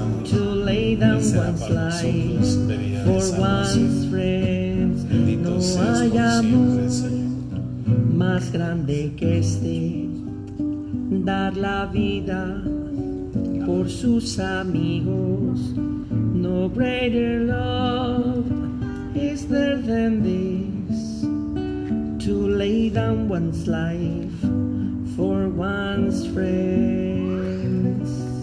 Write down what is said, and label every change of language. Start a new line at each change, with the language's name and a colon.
English: To lay down one's life for one's friends.
Spanish: No hay amor más grande que este, dar la vida por sus amigos.
English: No greater love is there than this, to lay down one's life for one's friends.